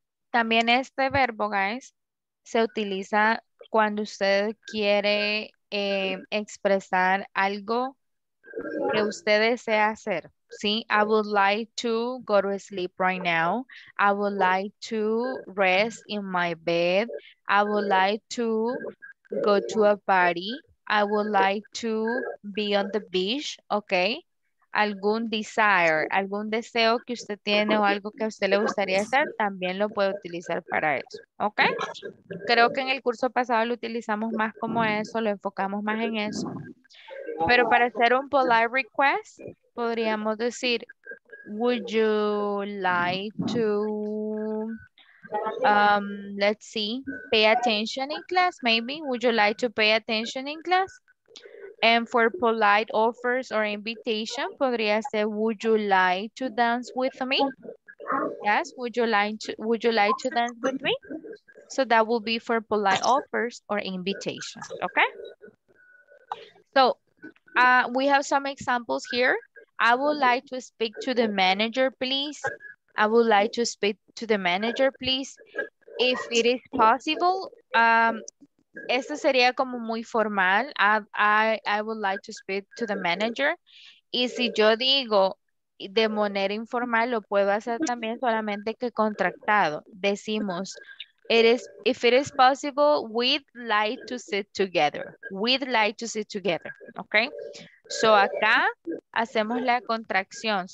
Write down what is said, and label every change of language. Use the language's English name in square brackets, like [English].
[Spanish] También este verbo, guys, se utiliza cuando usted quiere expresar algo que usted desea hacer, ¿sí? [English] I would like to go to sleep right now. I would like to rest in my bed. I would like to go to a party. I would like to be on the beach, ¿ok? [Spanish] Algún desire, algún deseo que usted tiene o algo que a usted le gustaría hacer, también lo puede utilizar para eso, ¿ok? Creo que en el curso pasado lo utilizamos más como eso, lo enfocamos más en eso. Pero para hacer un [English] polite request, [Spanish] podríamos decir, [English] would you like to, let's see, pay attention in class, maybe? Would you like to pay attention in class? And for polite offers or invitation, [Spanish] podría ser, [English] would you like to dance with me? Yes, would you like to dance with me? So that will be for polite offers or invitation, okay? So we have some examples here. I would like to speak to the manager, please. I would like to speak to the manager, please. if it is possible, [Spanish] esto sería como muy formal. [English] I would like to speak to the manager. [Spanish] Y si yo digo de manera informal, lo puedo hacer también solamente que contractado. Decimos, [English] if it is possible, we'd like to sit together. We'd like to sit together. Okay? So [Spanish] acá hacemos la contracción.